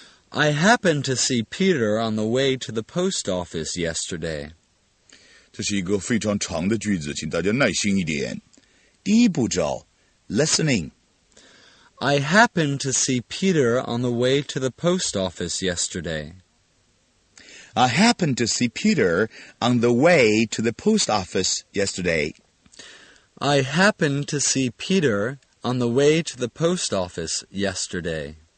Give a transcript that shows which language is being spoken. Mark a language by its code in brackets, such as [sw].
[en] I happened to see Peter on the way to the post office yesterday. [zh] 这是一个非常长的句子，请大家耐心一点。第一步骤 ,listening. [en] I happened to see Peter on the way to the post office yesterday. I happened to see Peter on the way to the post office yesterday. I happened to see Peter on the way to the post office yesterday.